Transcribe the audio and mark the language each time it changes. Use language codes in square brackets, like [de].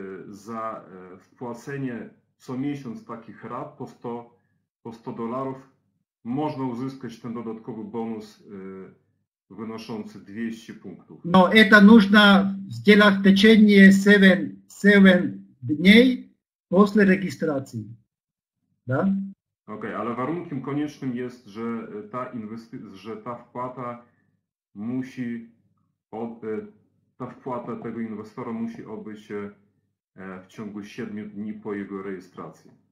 [pl] za wpłacenie co miesiąc takich rat po 100 dolarów można uzyskać ten dodatkowy bonus wynoszący 200 punktów. [ru] No, to нужно сделать в течение 7 дней после регистрации. Да? [pl] Okej, ale warunkiem koniecznym jest, że ta wpłata musi od ta wpłata tego inwestora musi odbyć się w ciągu 7 dni po jego rejestracji.